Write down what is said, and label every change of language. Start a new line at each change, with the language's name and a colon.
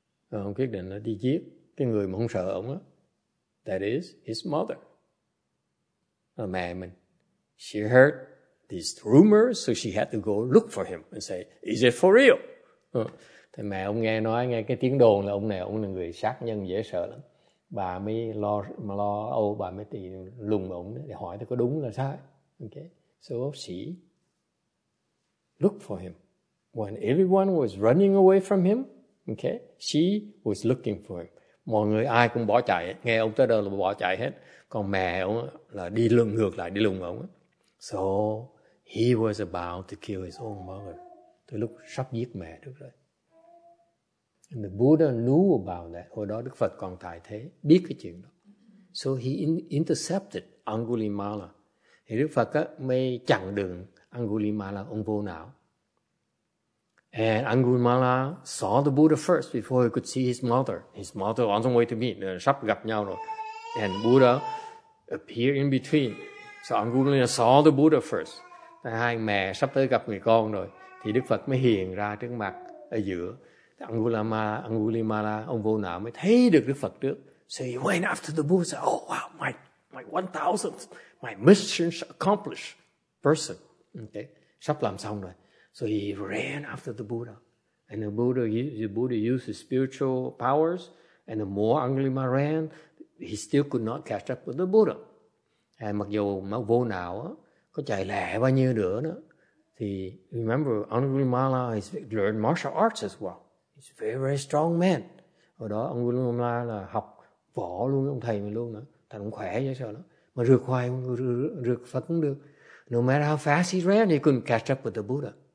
Vietnamese: Ông quyết định đi giết cái người mà không sợ ông á.
English: That is his mother.
Vietnamese: Là mẹ mình.
English: She heard these rumors, so she had to go look for him and say, "Is it for real?"
Vietnamese: Thì mẹ ông nghe cái tiếng đồn là ông này là người sát nhân dễ sợ lắm. Bà mới lo âu, bà mới tìm lùng ông để hỏi có đúng là sai.
English: Okay, so she looked for him. When everyone was running away from him, okay, she was looking for him.
Vietnamese: Mọi người ai cũng bỏ chạy, nghe ông tới đâu là bỏ chạy hết. Còn mẹ ông là đi lùng ngược lại, đi lùng ông.
English: So he was about to kill his own mother.
Vietnamese: Tới lúc sắp giết mẹ được rồi.
English: And the Buddha knew about that.
Vietnamese: Hồi đó Đức Phật còn tại thế, biết cái chuyện đó.
English: So he intercepted Angulimala.
Vietnamese: Thì Đức Phật mới chặn đường Angulimala, ông vô não.
English: And Angulimala saw the Buddha first before he could see his mother. His mother on the way to meet,
Vietnamese: sắp gặp nhau rồi.
English: And Buddha appeared in between. So Angulimala saw the Buddha first.
Vietnamese: Thì hai mẹ sắp tới gặp người con rồi. Thì Đức Phật mới hiện ra trước mặt ở giữa. Angulimala, ông vô não mới thấy được Đức Phật trước.
English: So he went after the Buddha. Oh wow, my 1,000 my mission accomplished person. Okay,
Vietnamese: sắp làm xong rồi.
English: So he ran after the Buddha. And the Buddha used his spiritual powers. And the more Angulimala ran, he still could not catch up with the Buddha.
Vietnamese: And mặc dù vô não, có chạy lẹ bao nhiêu nữa, thì
English: remember, Angulimala has learned martial arts as well. He's a very, very strong man.
Vietnamese: Hồi đó, Angulimala là học võ luôn, ông thầy mình luôn nữa. Thầy cũng khỏe chứ sao đó. Mà rượt hoài, rượt Phật cũng được.
English: No matter how fast he ran, he couldn't catch up with the Buddha.